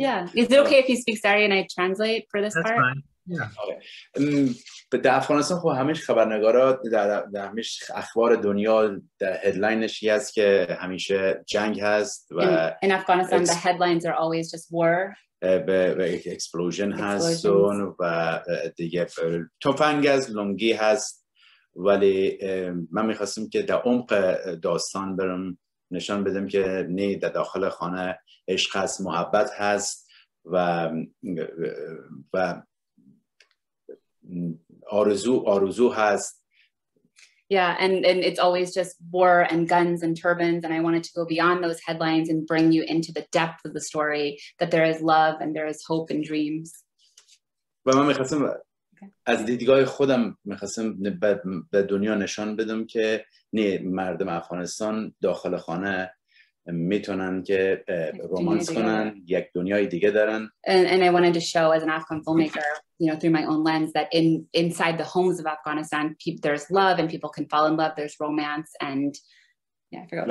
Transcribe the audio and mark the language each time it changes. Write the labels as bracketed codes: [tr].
[en] Yeah, is it okay if you speak Sari and I translate for this part? That's fine. Yeah. [fa] در افغانستان خب همیشه خبرنگارات در همیش اخبار دنیا در هدلاینش یه هست که همیشه جنگ هست و [en] in Afghanistan the headlines are always just war. [fa] Explosion هست و دیگه تفنگ هست، لنگی هست. ولی من میخواستم که در عمق داستان برم نشان بدم که نه، در داخل خانه عشق هست، محبت هست و آرزو هست. [en] Yeah, and it's always just war and guns and turbans, and I wanted to go beyond those headlines and bring you into the depth of the story, that there is love and there is hope and dreams. [fa] و من میخواستم از دیدگاه خودم میخواستم به دنیا نشان بدم که نه، مردم افغانستان داخل خانه میتونن که رومانس کنن، یک دنیای دیگه دارن. [en] And I wanted to show as an Afghan filmmaker, you know, through my own lens, that inside the homes of Afghanistan, there's love and people can fall in love, there's romance, and yeah,